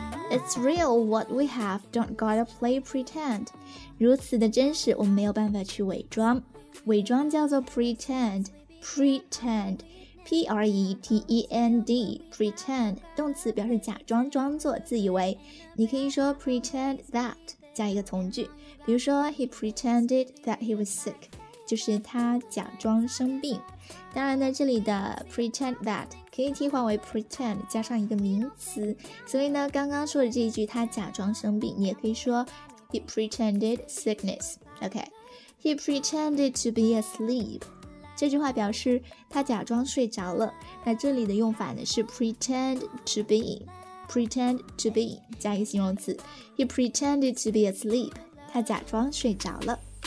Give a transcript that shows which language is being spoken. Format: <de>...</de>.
<en>It's real what we have, don't gotta play pretend</en> <zh>如此的真实，我们没有办法去伪装。伪装叫做 pretend PretendPretend, pretend, 动词表示假装、装作、自以为。你可以说 pretend that, 加一个从句。比如说</zh> <en>he pretended that he was sick,</en> <zh>就是他假装生病。当然呢，这里的 pretend that 可以替换为 pretend, 加上一个名词。所以呢，刚刚说的这一句他假装生病，你也可以说</zh> <en>he pretended sickness,</en> <zh>OK.</zh> <en>He pretended to be asleep.</en> <zh>这句话表示他假装睡着了，那这里的用法呢是 pretend to be, pretend to be, 加一个形容词。</zh> <en>He pretended to be asleep,</en> <zh>他假装睡着了。</zh>